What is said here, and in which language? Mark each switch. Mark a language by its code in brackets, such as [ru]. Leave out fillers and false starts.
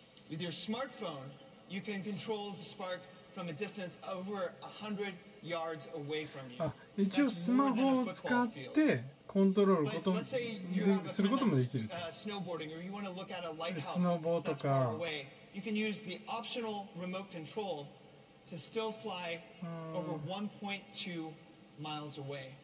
[en] With your smartphone, you can control the Spark from a distance over 100 yards away from you. [ja] 一応スマホを使ってコントロールすることもできる。スノボとか、 [en] you can use the optional remote control to still fly over 1.2 miles away.